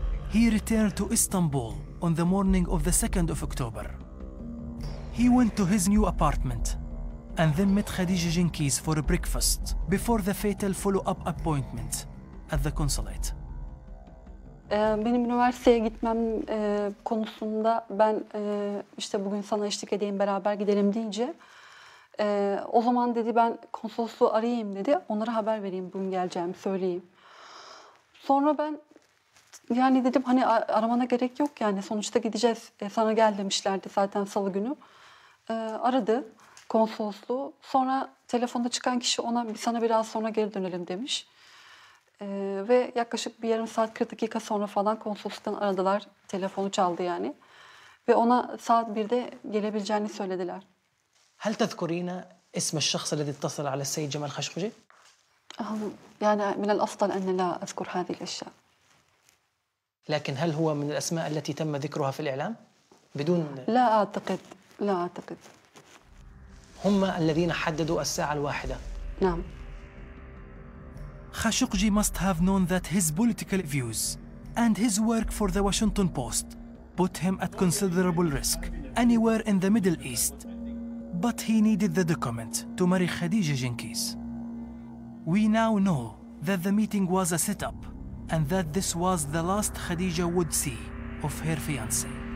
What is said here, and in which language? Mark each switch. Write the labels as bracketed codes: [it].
[en] He returned to Istanbul on the morning of the 2nd of October. He went to his new apartment and then met Khadija Jinkies for a breakfast before the fatal follow-up appointment at the consulate. [tr] Benim üniversiteye gitmem konusunda ben işte bugün sana eşlik edeyim beraber gidelim deyince o zaman dedi ben konsolosluğu arayayım dedi. Onlara haber vereyim bugün geleceğimi söyleyeyim. Sonra ben yani dedim hani aramana gerek yok yani sonuçta gideceğiz. Sana gel demişlerdi zaten salı günü. Aradı konsolosluğu. Sonra telefonda çıkan kişi ona sana biraz sonra geri dönelim demiş. Ve yaklaşık bir yarım saat 40 dakika sonra falan konsolosluktan aradılar. Telefonu çaldı yani. Ve ona saat 1'de gelebileceğini söylediler. [ar] هل تذكرين اسم الشخص الذي اتصل على السيد جمال خاشقجي؟ يعني من الأفضل أن لا أذكر هذه الأشياء. لكن هل هو من الأسماء التي تم ذكرها في الإعلام؟ بدون لا أعتقد لا أعتقد. هم الذين حددوا الساعة الواحدة. نعم. [en] خاشقجي must have known that his political views and his work for the Washington Post put him at considerable risk anywhere in the Middle East. But he needed the document to marry Khadija Jinkies. We now know that the meeting was a setup and that this was the last Khadija would see of her fiancé.